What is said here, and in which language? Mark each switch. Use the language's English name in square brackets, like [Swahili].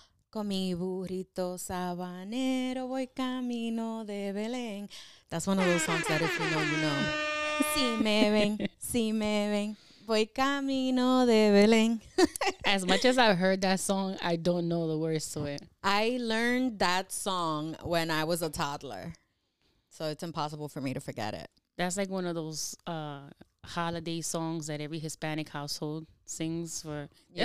[Spanish] Con mi burrito sabanero voy camino de Belén. [English] That's one of those songs that if you know, you know. [Spanish] Si me ven, si me ven, voy camino de Belén. [English] As much as I've heard that song, I don't know the words to it. I learned that song when I was a toddler, so it's impossible for me to forget it. That's like one of those holiday songs that every Hispanic household sings for. Yeah.